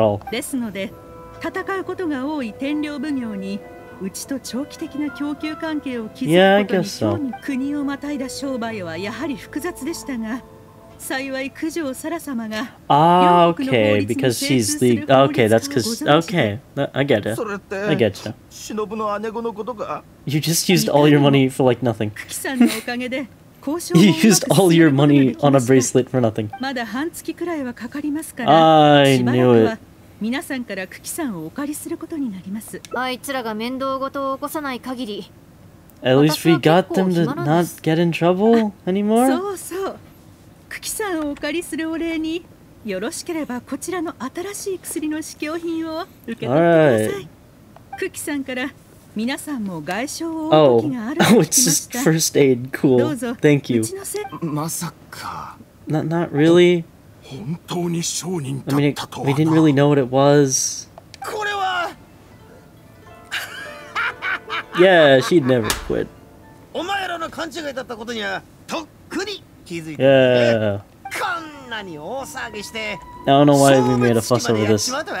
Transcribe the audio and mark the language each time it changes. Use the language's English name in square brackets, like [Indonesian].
[Japanese] ですので、戦うことが多い天領奉行に、うちと長期的な供給関係を築くことに、国をまたいだ商売はやはり複雑でしたが、幸い九条サラ様が両国の法律に精通する法律人でご存知で、それって忍ぶの姉子のことか。 [English] You just used all your money for like nothing. You used all your money on a bracelet for nothing. [Japanese] まだ半月くらいはかかりますから、しばらくは皆さんから久喜さんをお借りすることになります。あいつらが面倒ごとを起こさない限り、 [English] At least we got them to not get in trouble anymore. [Japanese] そうそう。クキさんをお借りするお礼に、よろしければこちらの新しい薬の試供品を受け取ってください。クキさんから皆さんも外傷を負う時があると聞きました。 [English] Oh, it's just first aid. Cool. [Japanese] どうぞ。 [English] Thank you. [Japanese] まさか。 [English] Not really. [Japanese] 本当に商人だったとはな。 [English] We didn't really know what it was. [Japanese] これは。 [English] Yeah, she'd never quit. [Japanese] お前らの勘違いだったことにはとっくに。 [English] Yeah. I don't know why we made a fuss over this.